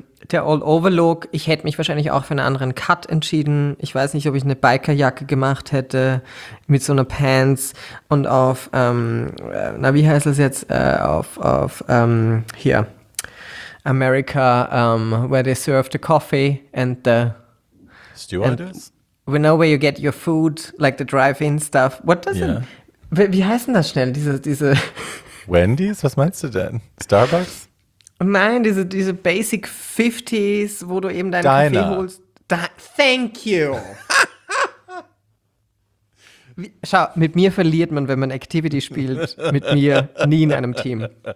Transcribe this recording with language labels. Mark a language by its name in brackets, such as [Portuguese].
[German] Der All-Over-Look, ich hätte mich wahrscheinlich auch für einen anderen Cut entschieden. Ich weiß nicht, ob ich eine Bikerjacke gemacht hätte mit so einer Pants und auf, na wie heißt das jetzt, auf hier, [English] America, where they serve the coffee and the... Stewardess? We know where you get your food, like the drive-in stuff. What does it... [German] Wie heißen das schnell, diese... Wendy's? Was meinst du denn? Starbucks? Nein, diese Basic 50s, wo du eben deinen Diner. Kaffee holst. [English] Thank you. [German] Schau, mit mir verliert man, wenn man Activity spielt. Mit mir nie in einem Team.